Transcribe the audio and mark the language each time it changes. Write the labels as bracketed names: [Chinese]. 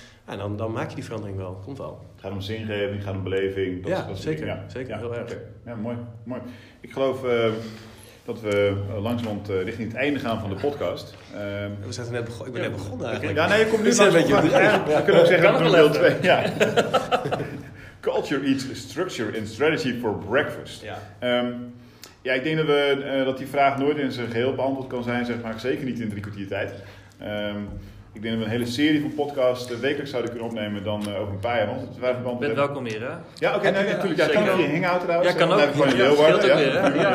[Dutch] En dan maak je die verandering wel. Komt wel. Het gaat om zingeving, gaat om beleving. Dat zeker. Ja. Zeker, heel erg. Okay. Ja, mooi. Ik geloof dat we langzamerhand richting het einde gaan van de podcast. We zijn er net begonnen. Ik ben net begonnen eigenlijk. Ja, nee, je komt nu langzamerhand. Een beetje we kunnen ook zeggen, we doen deel 2. Ja. [English] Culture eats structure and strategy for breakfast. [Dutch] Ja. Ja, ik denk dat we dat die vraag nooit in zijn geheel beantwoord kan zijn, zeg maar, zeker niet in 3 kwartier tijd. Ik denk dat we een hele serie van podcasts wekelijks zouden kunnen opnemen dan over een paar jaar. Want wij verband ben welkom hier, hè? Ja, oké, okay, nee, natuurlijk. Ja, kan ook via Hangout trouwens. Ja, kan ook. Dat scheelt ook weer, hè? Ja.